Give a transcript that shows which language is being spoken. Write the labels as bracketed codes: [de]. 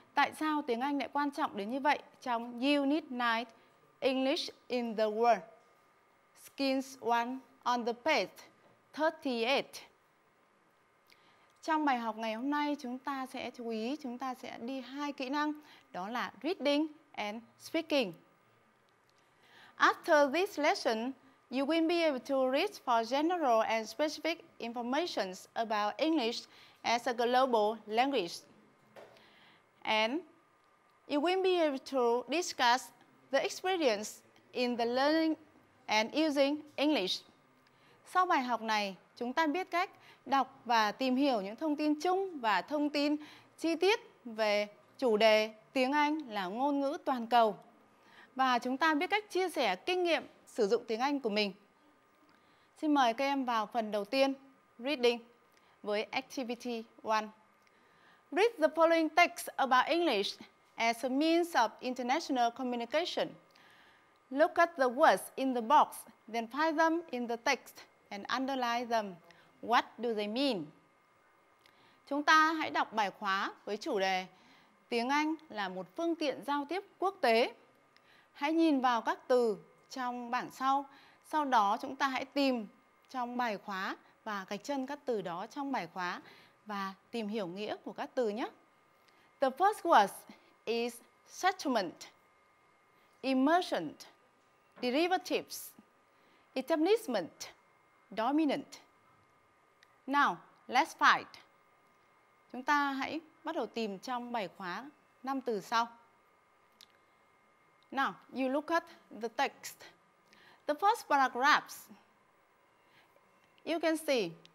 [vi] Tại sao tiếng Anh lại quan trọng đến như vậy trong [en] Unit 9, English in the World, Skills 1 on the page 38. [vi] Trong bài học ngày hôm nay, chúng ta sẽ chú ý, chúng ta sẽ đi hai kỹ năng, đó là Reading and Speaking. [en] After this lesson, you will be able to read for general and specific information about English as a global language. And you will be able to discuss the experience in the learning and using English. [vi] Sau bài học này, chúng ta biết cách đọc và tìm hiểu những thông tin chung và thông tin chi tiết về chủ đề tiếng Anh là ngôn ngữ toàn cầu. Và chúng ta biết cách chia sẻ kinh nghiệm sử dụng tiếng Anh của mình. Xin mời các em vào phần đầu tiên, Reading, với Activity 1. [en] Read the following text about English as a means of international communication. Look at the words in the box, then find them in the text and underline them. What do they mean? [vi] Chúng ta hãy đọc bài khóa với chủ đề Tiếng Anh là một phương tiện giao tiếp quốc tế. Hãy nhìn vào các từ trong bảng sau. Sau đó chúng ta hãy tìm trong bài khóa và gạch chân các từ đó trong bài khóa và tìm hiểu nghĩa của các từ nhé. [en] The first word is settlement, emergent, derivatives, establishment, dominant. Now, let's fight. [vi] Chúng ta hãy bắt đầu tìm trong bài khóa 5 từ sau. [en] Now, you look at the text. The first paragraphs, you can see.